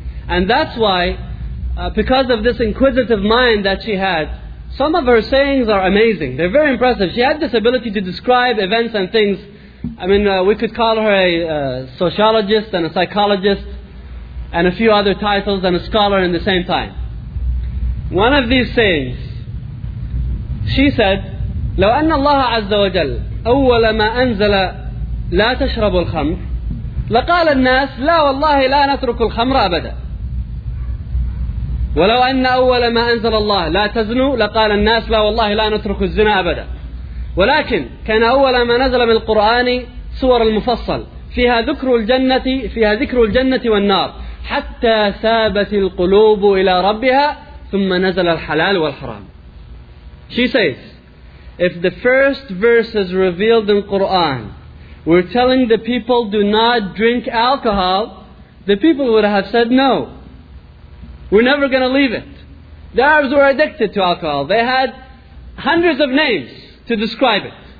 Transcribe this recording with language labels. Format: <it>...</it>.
<en>And that's why, because of this inquisitive mind that she had, some of her sayings are amazing. They're very impressive. She had this ability to describe events and things. I mean, we could call her a sociologist and a psychologist and a few other titles and a scholar in the same time. One of these sayings, she said,</en> <ar>لو أن الله عز وجل أول ما أنزل لا تشرب الخمر لقال الناس لا والله لا نترك الخمر أبدا ولو أن أول ما أنزل الله لا تزنوا لقال الناس لا والله لا نترك الزنا أبدا ولكن كان أول ما نزل من القرآن سور المفصل فيها ذكر الجنة فيها ذكر الجنة والنار حتى ثابت القلوب إلى ربها ثم نزل الحلال والحرام.</ar> <en>She says, if the first verse is revealed in Quran, we're telling the people, do not drink alcohol, the people would have said no. We're never going to leave it. The Arabs were addicted to alcohol. They had hundreds of names to describe it.</en>